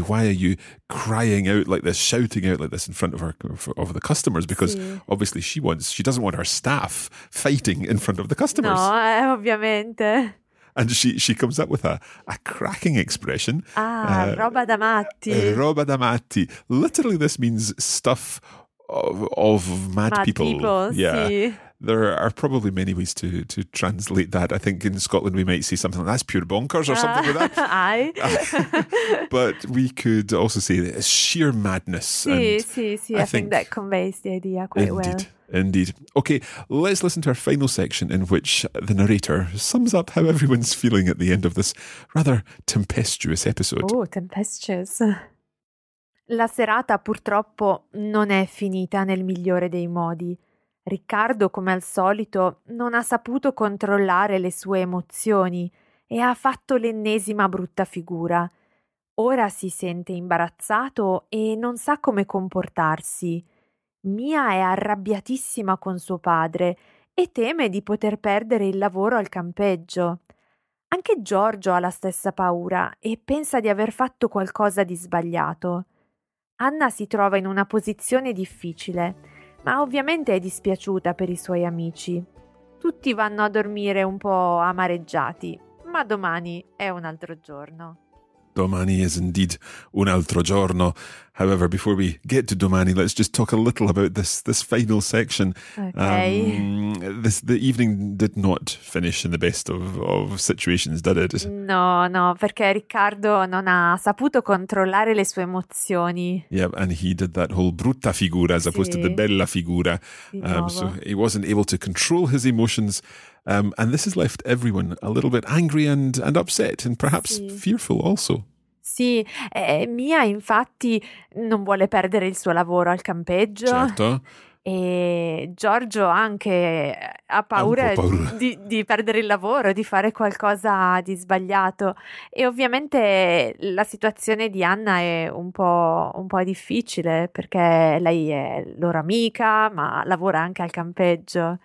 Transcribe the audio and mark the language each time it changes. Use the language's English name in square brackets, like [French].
[English] Why are you crying out like this, shouting out like this in front of of the customers? Because [Italian] sì. [English] Obviously she doesn't want her staff fighting in front of the customers. [Italian] No, ovviamente. [English] And she comes up with a cracking expression. [Italian] Ah, roba da matti. Roba da matti. [English] Literally this means stuff of mad people. Mad people, yeah. [Italian] Sì. [English] There are probably many ways to translate that. I think in Scotland we might say something like, that's pure bonkers or something like that. Aye. But we could also say that it's sheer madness. [Italian] Sí. [English] I think that conveys the idea quite indeed, well. Indeed. Okay, let's listen to our final section in which the narrator sums up how everyone's feeling at the end of this rather tempestuous episode. Oh, tempestuous. [Italian] La serata purtroppo non è finita nel migliore dei modi. Riccardo, come al solito, non ha saputo controllare le sue emozioni e ha fatto l'ennesima brutta figura. Ora si sente imbarazzato e non sa come comportarsi. Mia è arrabbiatissima con suo padre e teme di poter perdere il lavoro al campeggio. Anche Giorgio ha la stessa paura e pensa di aver fatto qualcosa di sbagliato. Anna si trova in una posizione difficile, ma ovviamente è dispiaciuta per i suoi amici. Tutti vanno a dormire un po' amareggiati, ma domani è un altro giorno. Domani [English] is indeed [Italian] un altro giorno. [English] However, before we get to domani, let's just talk a little about this final section. Okay. The evening did not finish in the best of situations, did it? [Italian] No, perché Riccardo non ha saputo controllare le sue emozioni. [English] Yeah, and he did that whole brutta figura as opposed to the bella figura. So he wasn't able to control his emotions. And this has left everyone a little bit angry and upset and perhaps fearful also. [Italian] Sì, Mia infatti non vuole perdere il suo lavoro al campeggio. Certo. E Giorgio anche ha paura, di perdere il lavoro, di fare qualcosa di sbagliato. E ovviamente la situazione di Anna è un po' difficile, perché lei è loro amica, ma lavora anche al campeggio.